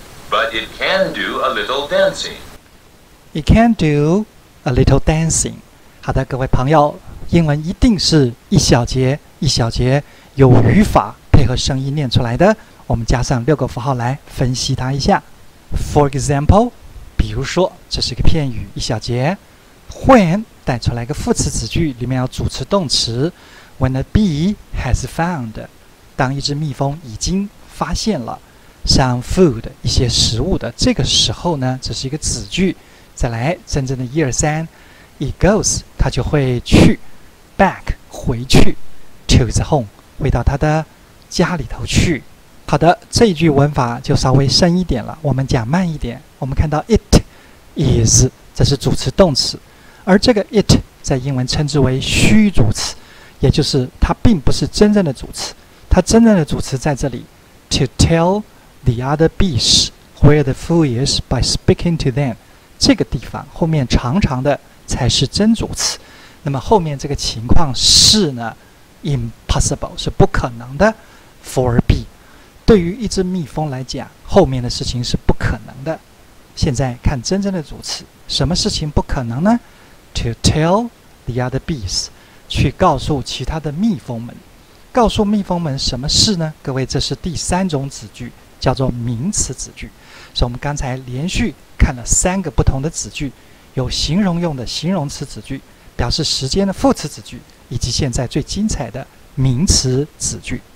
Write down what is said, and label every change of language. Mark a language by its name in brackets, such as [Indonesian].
[English] But it can do a little dancing. It can do a little dancing. [Chinese] 好的，各位朋友，英文一定是一小节一小节有语法配合声音念出来的，我们加上六个符号来分析它一下。 For example, 比如说，这是一个片语，一小节。 When 带出来一个副词子句，里面要主词动词。 When a bee has found, 当一只蜜蜂已经发现了 some food, 一些食物的这个时候呢，这是一个子句。再来，真正的一二三。 It goes, 它就会去 back, 回去 to its home, 回到它的家里头去。好的，这一句文法就稍微深一点了，我们讲慢一点。我们看到 it is, 这是主词动词，而这个 it 在英文称之为虚主词，也就是它并不是真正的主词。它真正的主词在这里 to tell the other bees where the food is by speaking to them, 这个地方后面长长的才是真主词。那么后面这个情况是呢 impossible, 是不可能的 for a bee, 对于一只蜜蜂来讲，后面的事情是不可能的。现在看真正的主词，什么事情不可能呢？ [English] To tell the other bees, 去告诉其他的蜜蜂们。 [Chinese] 告诉蜜蜂们什么事呢？各位，这是第三种子句，叫做名词子句。所以我们刚才连续看了三个不同的子句，有形容用的形容词子句，表示时间的副词子句，以及现在最精彩的名词子句。